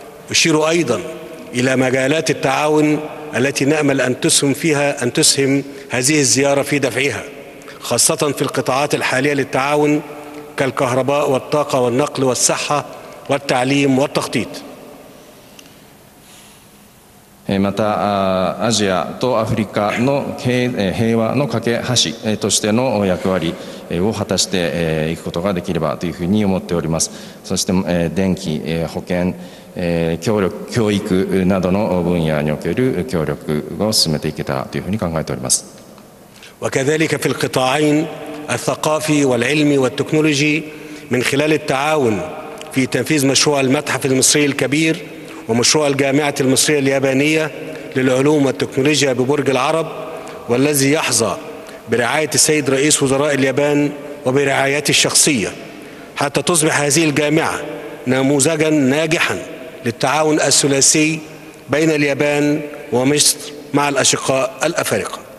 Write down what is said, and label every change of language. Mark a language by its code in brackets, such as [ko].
[ar] أشير أيضا إلى مجالات التعاون التي نأمل أن تسهم هذه الزيارة في دفعها، خاصة في القطاعات الحالية للتعاون كالكهرباء والطاقة والنقل والصحة والتعليم والتخطيط. [ja] またアジアとアフリカの平和の架け橋としての役割を果たしていくことができればというふうに思っております。そして電気、保険、協力、教育などの分野における協力を進めていけたというふうに考えております。 [ar] وكذلك في القطاعين الثقافي والعلمي والتكنولوجي من خلال التعاون في تنفيذ مشروع المتحف المصري الكبيرومشروع الجامعة المصرية اليابانية للعلوم والتكنولوجيا ببرج العرب والذي يحظى برعاية السيد رئيس وزراء اليابان وبرعايته الشخصية حتى تصبح هذه الجامعة نموذجا ناجحا للتعاون الثلاثي بين اليابان ومصر مع الأشقاء الأفارقة.